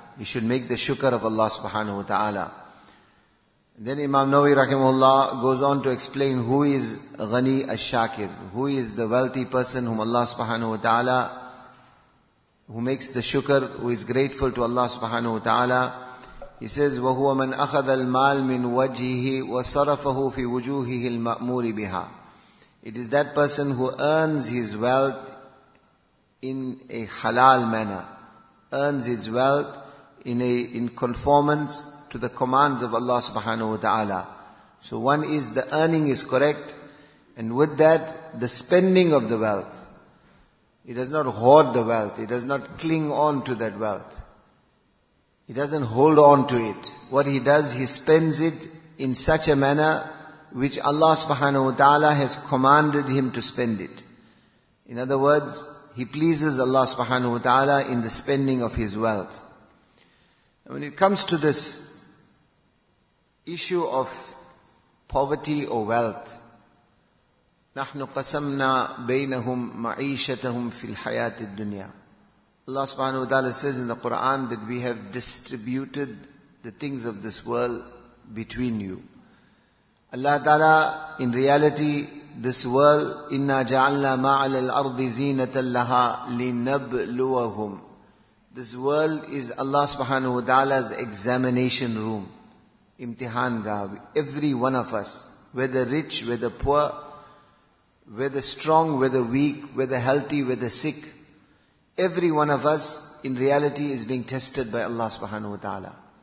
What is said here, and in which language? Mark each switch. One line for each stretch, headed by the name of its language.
English: He should make the shukr of Allah subhanahu wa ta'ala. Then Imam Nawawi rahimahullah goes on to explain who is Ghani al-Shakir, who is the wealthy person whom Allah subhanahu wa ta'ala, who makes the shukr, who is grateful to Allah subhanahu wa ta'ala. He says,
Arabic: وَهُوَ مَنْ أَخَذَ الْمَالِ مِنْ وَجْهِهِ وَصَرَفَهُ فِي وُجُوهِهِ الْمَأْمُورِ بِهَا.
English: It is that person who earns his wealth in a halal manner, earns his wealth in conformance to the commands of Allah subhanahu wa ta'ala. So one is the earning is correct, and with that, the spending of the wealth. He does not hoard the wealth. He does not cling on to that wealth. He doesn't hold on to it. What he does, he spends it in such a manner which Allah subhanahu wa ta'ala has commanded him to spend it. In other words, he pleases Allah subhanahu wa ta'ala in the spending of his wealth. And when it comes to this issue of poverty or wealth,
Arabic: نَحْنُ قَسَمْنَا بَيْنَهُمْ مَعِيشَتَهُمْ فِي الْحَيَاةِ الدُّنْيَا.
English: Allah subhanahu wa ta'ala says in the Quran that we have distributed the things of this world between you. Allah ta'ala, in reality, this world,
Arabic: إِنَّا جَعَلْنَا مَعَلَى الْأَرْضِ زِينَةً لَهَا لِنَبْلُوَهُمْ.
English: This world is Allah subhanahu wa ta'ala's examination room. Imtihan gav, every one of us, whether rich, whether poor, whether strong, whether weak, whether healthy, whether sick, Every one of us in reality is being tested by Allah subhanahu wa ta'ala.